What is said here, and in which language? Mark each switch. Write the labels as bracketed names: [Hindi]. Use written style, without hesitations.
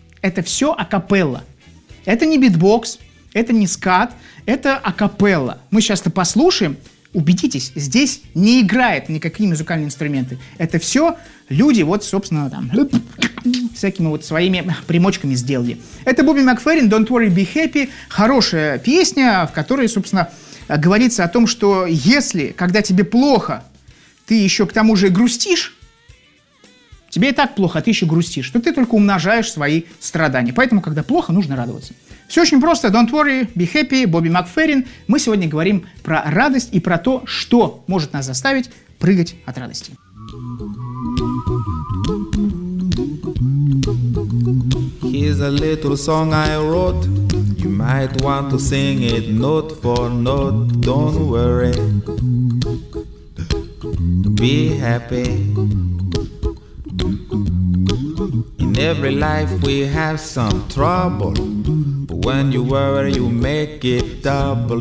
[Russian] Это все акапелла. Это не битбокс, это не скат, это акапелла. Мы сейчас это послушаем, убедитесь, здесь не играет никакие музыкальные инструменты. Это все люди, вот, собственно, там, всякими вот своими примочками сделали. Это Бобби Макферрин, «Don't Worry, Be Happy». Хорошая песня, в которой, собственно, говорится о том, что если, когда тебе плохо, ты еще к тому же грустишь, тебе и так плохо, а ты еще грустишь, что ты только умножаешь свои страдания. Поэтому, когда плохо, нужно радоваться. Все очень просто. [English] Don't worry, be happy, Бобби Макферрин. [Russian] Мы сегодня говорим про радость и про то, что может нас заставить прыгать от радости. [English] Here's a little song I wrote. You might want to sing it note for note. Don't worry, be happy. In every life we have some trouble, but when you worry you make it double.